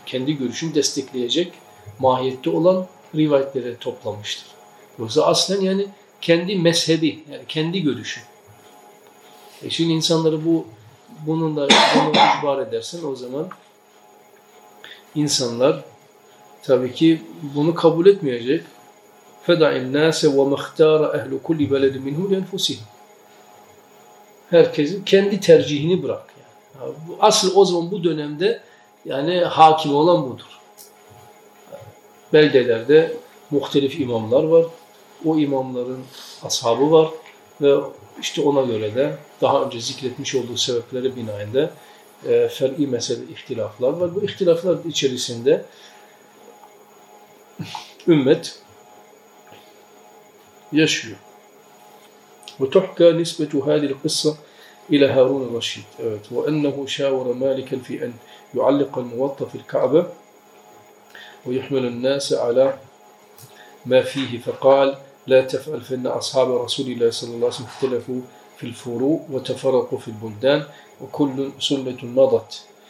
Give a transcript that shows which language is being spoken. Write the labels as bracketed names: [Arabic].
[Turkish] Kendi görüşünü destekleyecek mahiyette olan rivayetleri toplamıştır. Yoksa aslen yani kendi mezhebi, yani kendi görüşü. Şimdi insanları bunu itibar edersen o zaman insanlar tabii ki bunu kabul etmeyecek. [Arabic] فَدَعِ النَّاسَ وَمَخْتَارَ اَهْلُ كُلِّ بَلَدٍ مِنْهُ لِيَنْفُسِهِ. [Turkish] Herkesin kendi tercihini bırak. Yani. Asıl o zaman bu dönemde yani hakim olan budur. Beldelerde muhtelif imamlar var. O imamların ashabı var. Ve işte ona göre de daha önce zikretmiş olduğu sebeplere binaen de fer'i mesele ihtilaflar var. Bu ihtilaflar içerisinde ümmet yaşıyor. [Arabic] وتحكي نسبة هذه القصة إلى هارون الرشيد وأنه شاور مالكا في أن يعلق الموطأ في الكعبة ويحمل الناس على ما فيه فقال لا تفعل فإن أصحاب رسول الله صلى الله عليه وسلم اختلفوا في الفروع وتفرقوا في البلدان وكل سنة مضت